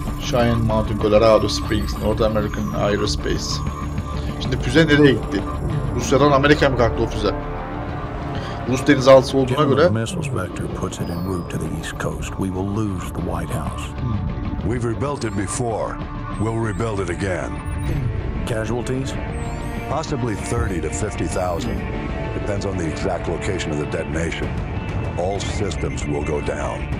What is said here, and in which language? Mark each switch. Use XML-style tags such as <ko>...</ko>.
<en>Cheyenne Mountain, Colorado Springs, North American Aerospace.</en> <tr>Şimdi füze nereye gitti? Rusya'dan Amerika'ya mı kalktı o füze? Rus denizaltısı olduğuna göre...</tr> <en>General Missiles Vector puts it en route to the East Coast. We will lose the White House. We've rebuilt it before. We'll rebuild it again. Casualties? Possibly 30 to 50,000. Depends on the exact location of the detonation. All systems will go down.</en>